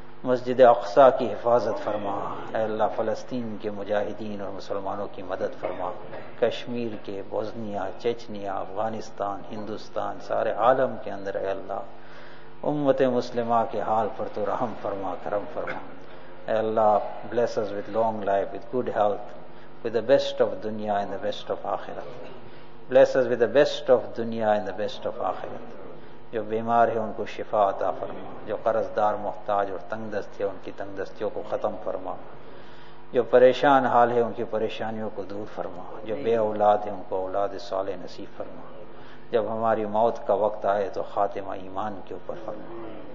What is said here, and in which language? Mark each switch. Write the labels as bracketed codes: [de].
[ur] مسجد اقصی کی حفاظت فرما. اے اللہ, فلسطین کے مجاہدین اور مسلمانوں کی مدد فرما. کشمیر کے, بوسنیا, چچنیا, افغانستان, ہندوستان, سارے عالم کے اندر اے اللہ امت مسلمہ کے حال پر تو رحم فرما, کرم فرما. اے اللہ, [en] bless us with long life, with good health, with the best of dunya and the best of akhirat. Bless us with the best of dunya and the best of akhirat. [ur] جو بیمار ہیں ان کو شفا عطا فرما, جو قرض دار محتاج اور تنگ دست ہیں ان کی تنگ دستیوں کو ختم فرما, جو پریشان حال ہیں ان کی پریشانیوں کو دور فرما, جو بے اولاد ہیں ان کو اولاد صالح نصیب فرما, جب ہماری موت کا وقت آئے تو خاتمہ ایمان کے اوپر فرما.